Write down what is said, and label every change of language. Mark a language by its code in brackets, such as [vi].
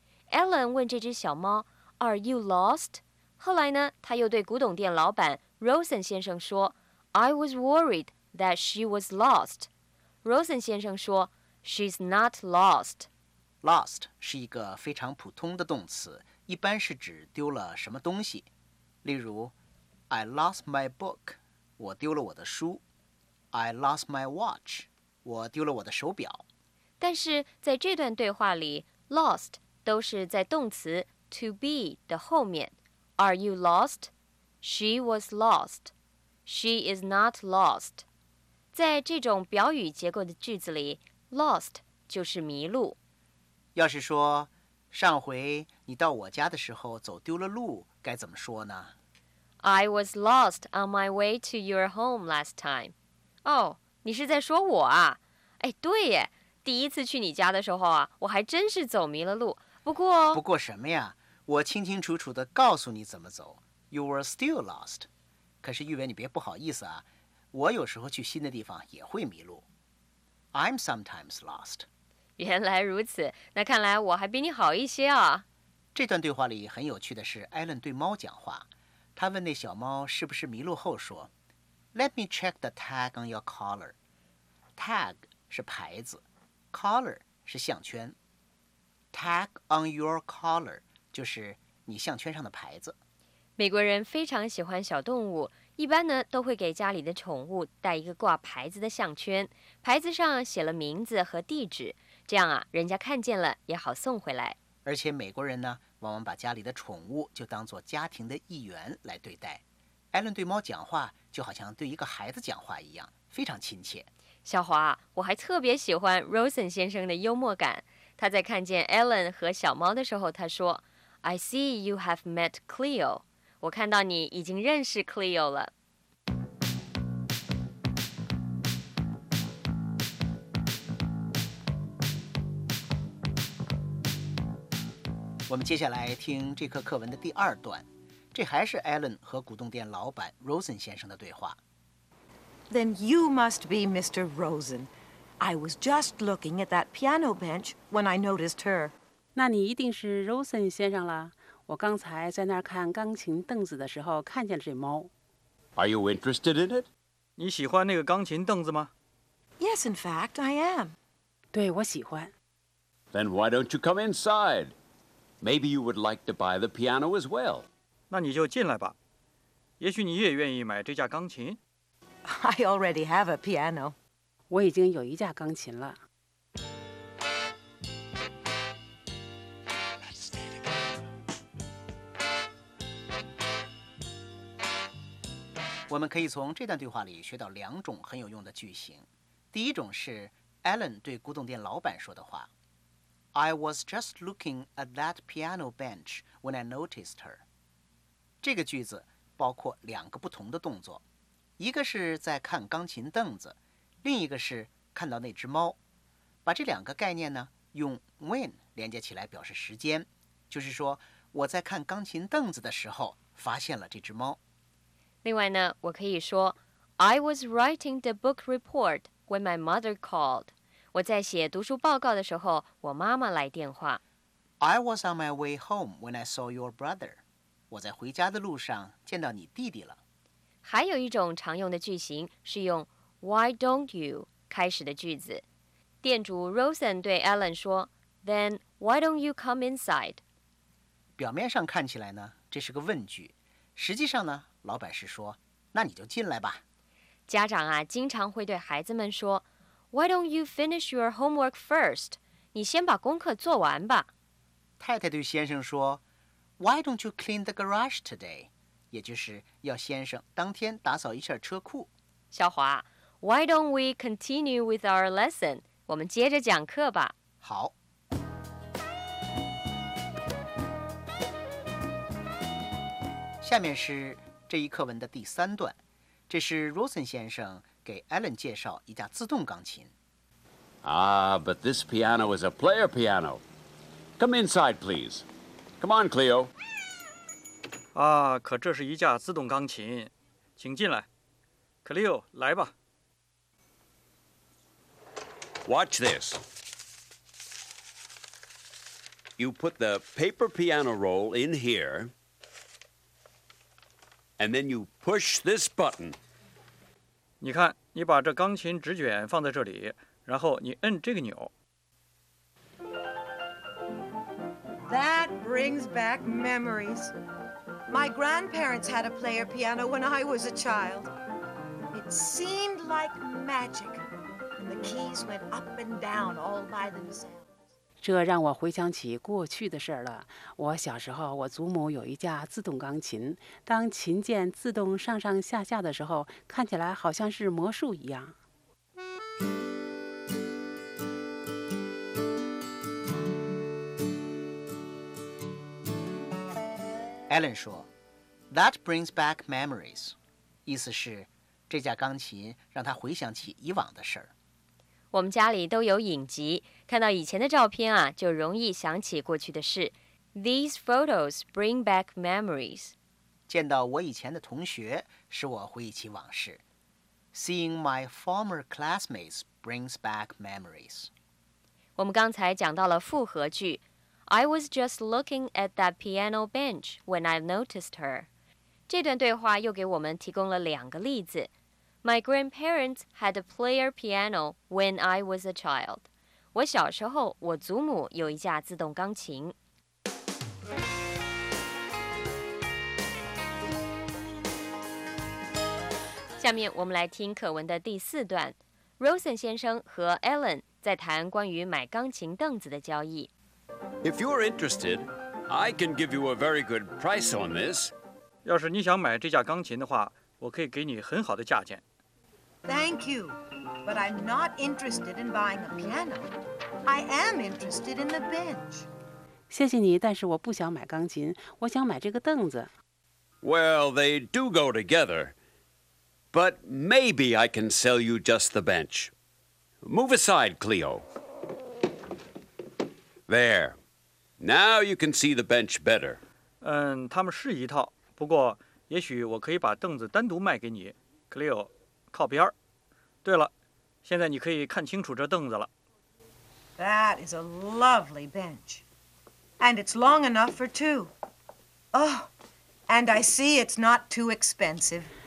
[zh] Ellen 问这只小猫 , [en] Are you lost? [zh] 后来呢他又对古董店老板 Rosen 先生说 , [en] I was worried that she was lost. Rosen [zh] 先生说 [en] ,She's not lost. [zh] Lost 是一个非常普通的动词，一般是指丢了什么东西。例如 [en] ,I lost my book. [zh] 我丢了我的书 ， [en] I lost my watch， [zh] 我丢了我的手表。但是在这段对话里 ，lost 都是在动词 to be 的后面。 [en] Are you lost? She was lost. She is not lost. [zh] 在这种表语结构的句子里 ，lost 就是迷路。要是说上回你到我家的时候走丢了路，该怎么说呢？ [en] I was lost on my way to your home last time. [zh] 哦、oh, ，你是在说我啊？哎，对耶，第一次去你家的时候啊，我还真是走迷了路。不过什么呀？我清清楚楚地告诉你怎么走。 [en] You were still lost. [zh] 可是玉伟，你别不好意思啊，我有时候去新的地方也会迷路。 [en] I'm sometimes lost. [zh] 原来如此，那看来我还比你好一些啊。这段对话里很有趣的是，艾伦对猫讲话。他问那小猫是不是迷路后说 [en] Let me check the tag on your collar. [zh] Tag 是牌子， collar 是项圈。 Tag on your collar 就是你项圈上的牌子。美国人非常喜欢小动物，一般呢都会给家里的宠物带一个挂牌子的项圈，牌子上写了名字和地址，这样啊人家看见了也好送回来。而且美国人呢往往把家里的宠物就当作家庭的一员来对待。艾伦对猫讲话就好像对一个孩子讲话一样，非常亲切。小华，我还特别喜欢 Rosen 先生的幽默感。他在看见艾伦和小猫的时候，他说 [en] I see you have met Cleo. [zh] 我看到你已经认识 Cleo 了。我们接下来听这课课文的第二段。这还是 Alan 和古董店老板 Rosen 先生的对话。 [en] Then you must be Mr. Rosen. I was just looking at that piano bench when I noticed her. [zh] 那你一定是 Rosen 先生了。我刚才在那儿看钢琴凳子的时候看见了这猫。 [en] Are you interested in it? [zh] 你喜欢那个钢琴凳子吗？ [en] Yes, in fact, I am. [zh] 对，我喜欢。 [en] Then why don't you come inside? Maybe you would like to buy the piano as well. [zh] 那你就进来吧。也许你也愿意买这架钢琴。 [en] I already have a piano. [zh] 我已经有一架钢琴了。我们可以从这段对话里学到两种很有用的句型。第一种是 Alan 对古董店老板说的话。 [en] I was just looking at that piano bench when I noticed her. [zh] 这个句子包括两个不同的动作，一个是在看钢琴凳子，另一个是看到那只猫。把这两个概念呢，用 when 连接起来表示时间，就是说我在看钢琴凳子的时候发现了这只猫。另外呢，我可以说 [en] I was writing the book report when my mother called. [zh] 我在写读书报告的时候，我妈妈来电话。 [en] I was on my way home when I saw your brother. [zh] 我在回家的路上见到你弟弟了。还有一种常用的句型是用 Why don't you 开始的句子。店主 Rosen 对 Alan 说 [en] Then why don't you come inside? [zh] 表面上看起来呢，这是个问句。实际上呢，老板是说那你就进来吧。家长啊，经常会对孩子们说 [en] Why don't you finish your homework first? [zh] 你先把功课做完吧。太太对先生说 [en] Why don't you clean the garage today? [zh] 也就是要先生当天打扫一下车库。 [en] 小华 Why don't we continue with our lesson? [zh] 我们接着讲课吧。好。下面是这一课文的第三段。这是 Rosen 先生给 Alan 介绍一架自动钢琴。 [en] Ah, but this piano is a player piano. Come inside, please. Come on, Cleo. [zh] 啊，可这是一架自动钢琴，请进来。 Cleo, 来吧。 [en] Watch this. You put the paper piano roll in here, and then you push this button. [zh] 你看，你把这钢琴纸卷放在这里，然后你摁这个钮。 [en] That brings back memories. My grandparents had a player piano when I was a child. It seemed like magic, and the keys went up and down all by themselves. [zh] 这让我回想起过去的事了。我小时候，我祖母有一架自动钢琴，当琴键自动上上下下的时候，看起来好像是魔术一样。 Alan 说 ， [en] That brings back memories， [zh] 意思是这架钢琴让他回想起以往的事儿。我们家里都有影集，看到以前的照片啊，就容易想起过去的事。 [en] These photos bring back memories. [zh] 见到我以前的同学，使我回忆起往事。 [en] Seeing my former classmates brings back memories. [zh] 我们刚才讲到了复合句。 [en] I was just looking at that piano bench when I noticed her. [zh] 这段对话又给我们提供了两个例子。 [en] My grandparents had a player piano when I was a child. [zh] 我小时候，我祖母有一架自动钢琴。下面我们来听课文的第四段。Rosen 先生和 Alan 在谈关于买钢琴凳子的交易。 [en] If you're interested, I can give you a very good price on this. [zh] 要是你想买这架钢琴的话，我可以给你很好的价钱。 [en] Thank you, but I'm not interested in buying a piano. I am interested in the bench. [zh] 谢谢你，但是我不想买钢琴，我想买这个凳子。 [en] Well, they do go together. But maybe I can sell you just the bench. Move aside, Cleo. There. Now you can see the bench better. [zh] 嗯，他们是一套，不过，也许我可以把凳子单独卖给你 ，Cleo， 靠边。对了，现在你可以看清楚这凳子了。 [en] That is a lovely bench, and it's long enough for two. Oh, and I see it's not too expensive.